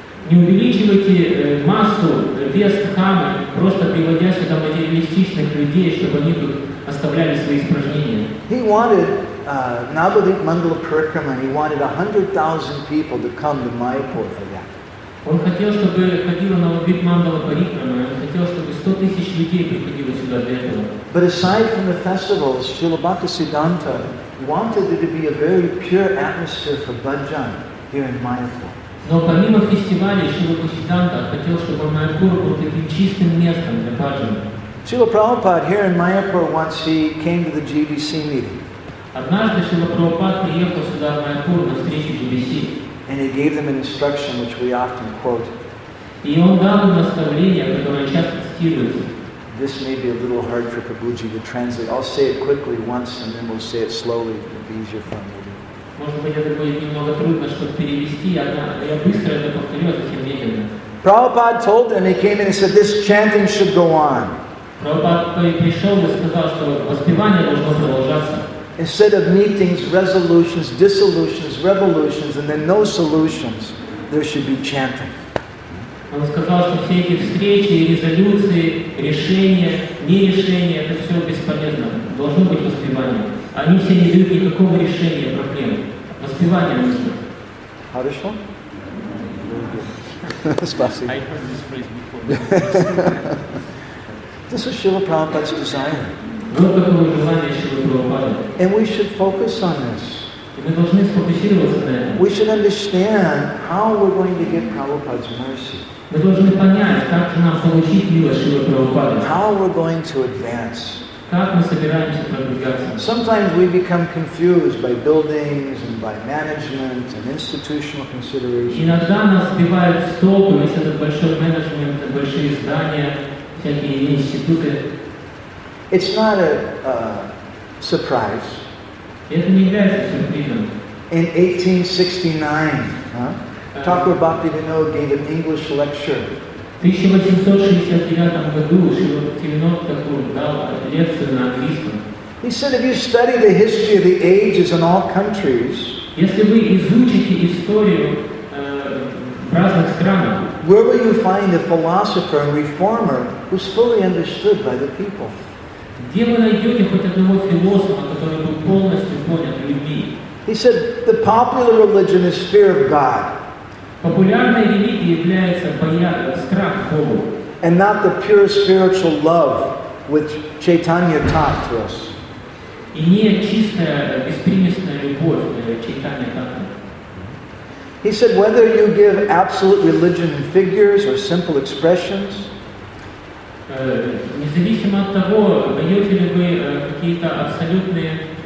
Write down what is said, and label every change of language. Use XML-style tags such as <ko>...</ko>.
<ru>Не увеличивайте массу, вес дхамы, просто приводя сюда материалистичных людей, чтобы они тут оставляли свои испражнения.</ru> <en>He wanted Navadvip Mandala Parikrama, he wanted 100,000 people to come to Mayapur for that.</en> <ru>Он хотел, чтобы ходила Навадвип Мандала Парикрама, он хотел, чтобы 100 тысяч людей приходило сюда для этого.</ru> <en>But aside from the festivals, Srila Bhaktisiddhanta wanted it to be a very pure atmosphere for bhajan here in Mayapur.</en> <ru>Но помимо фестиваля, Srila Bhaktisiddhanta хотел, чтобы Майапур был таким чистым местом для бхаджан.</ru> <en>Srila Prabhupada here in Mayapur once he came to the GBC meeting.</en> <ru>Однажды Srila Prabhupada приехал сюда в Майапур на встречу GBC.</ru> <en>And he gave them an instruction which we often quote.</en> <ru>И он дал им наставление, которое часто цитируется.</ru> <en>This may be a little hard for Prabhuji to translate. I'll say it quickly once and then we'll say it slowly. It'll be easier for him.</en> <ru>Может быть, это будет немного трудно, чтобы перевести, а я быстро это повторю, затем медленно.</ru> <en>Prabhupada told them, he came in and said, this chanting should go on.</en> <ru>Prabhupada пришел и сказал, что воспевание должно продолжаться.</ru> <en>Instead of meetings, resolutions, dissolutions, revolutions, and then no solutions, there should be chanting.</en> <ru>Он сказал, что все эти встречи, резолюции, решения, нерешения, это все бесполезно. Должно быть воспевание. Они все не дают никакого решения проблем. Воспевание нужно. Хорошо?</ru> <en>Спасибо. I heard this phrase before. This is Srila Prabhupada's desire.</en> <ru>Вот такое желание Шрилы Прабхупады.</ru> <en>And we should focus on this.</en> <ru>Мы должны сфокусироваться на этом.</ru> <en>We should understand how we're going to get Prabhupada's mercy.</en> <ru>Мы должны понять, как нам получить милость Шрилы Прабхупады.</ru> <en>How we're going to advance.</en> <ru>Как мы собираемся продвигаться?</ru> <en>Sometimes we become confused by buildings and by management and institutional considerations.</en> <ru>Иногда нас сбивают с толку, если это большой менеджмент, большие здания, всякие институты.</ru> <en>It's not a surprise.</en> <ru>Это не является сюрпризом.</ru> <en>In 1869, Thakur Bhaktivinoda gave an English lecture.</en> <ru>В 1869 году Шиватинот Такур дал лекцию на английском.</ru> <en>He said, if you study the history of the ages in all countries,</en> <ru>если вы изучите историю в разных странах,</ru> <en>where will you find a philosopher and reformer who's fully understood by the people?</en> <ru>Где вы найдете хоть одного философа, который был полностью понят людьми?</ru> <en>He said, the popular religion is fear of God.</en> <ru>Популярная религия является страх Бога.</ru> <en>And not the pure spiritual love which Chaitanya taught to us.</en> <ru>И не чистая, беспримесная любовь, Чайтанья</ru> <en>таught. He said, whether you give absolute religion in figures or simple expressions,</en> <ru>независимо от того, даете ли вы какие-то абсолютные</ru>